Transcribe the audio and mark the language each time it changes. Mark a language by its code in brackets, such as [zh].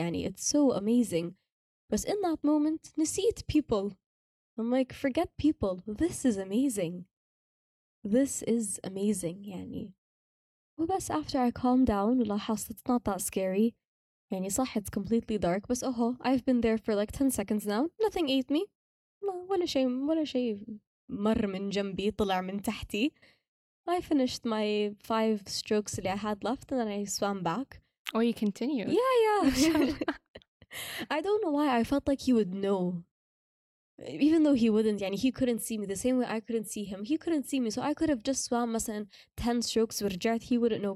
[en] يعني it's so amazing. But in that moment, [ar] نسيت [en] people. I'm like, forget people. This is amazing. This is amazing, يعني. [ar] وبس [en] after I calmed down, [ar] لاحظت [en] it's not that scary. [ar] يعني صح, [en] it's completely dark. [ar] بس اوه, [en] I've been there for like 10 seconds now. Nothing ate me. [ar] ولا شيء مر من جنبي, طلع من تحتي. [en] I finished my 5 strokes اللي I had left and then I swam back. Oh, you continued. Yeah. I don't know why I felt like he would know. Even though he wouldn't, يعني he couldn't see me the same way I couldn't see him. He couldn't see me, so I could have just swam [ar] مثلا [en] 10 strokes [ar] ورجعت, [en] he wouldn't know.